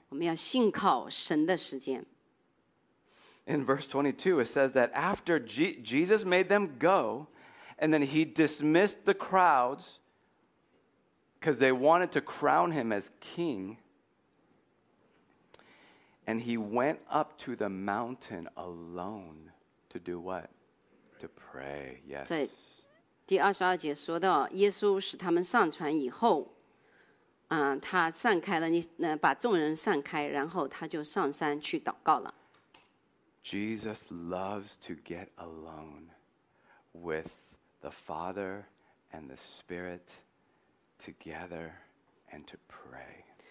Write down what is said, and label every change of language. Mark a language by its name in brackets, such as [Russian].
[English] In verse 22, it says that after Jesus made them go, and then he dismissed the crowds because they wanted to crown him as king, and he went up to the mountain alone to do what? To pray. Yes. [Chinese] 在第22节说到耶稣使他们上船以后, 他散开了，把众人散开，然后他就上山去祷告了。Jesus [English] loves to get alone with the Father and the Spirit together and to pray.